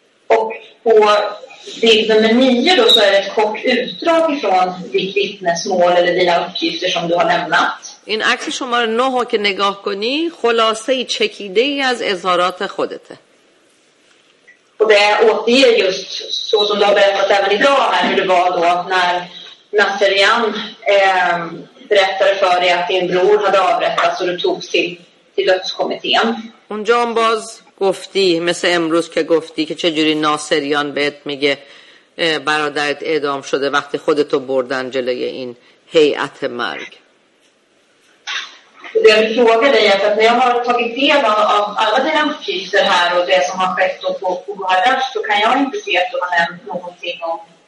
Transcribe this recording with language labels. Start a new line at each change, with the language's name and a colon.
Swedish: و پا bild nummer 9 då så är det ett kort utdrag ifrån ditt vittnesmål eller dina uppgifter som du har lämnat.
Persian: In عکس شماره 9 ها که نگاه کنی خلاصه چکیده ای از اظهارات خودته.
Swedish: Och det återger just så som du har berättat även idag här hur det var då när Nasserian berättade för dig att din bror hade avrättats och du togs till dödskommittén.
Persian: اون جان باز گفتی مثل امروز که گفتی که چجوری ناصریان بهت میگه برادرت اعدام شده وقتی خودتو بردن جلوی این هیئت مرگ.
Swedish: Jag vill fråga dig att när jag har tagit del av alla dina uppgifter här och det som har skett på Bardash så kan jag inte se att du har nämnt någonting om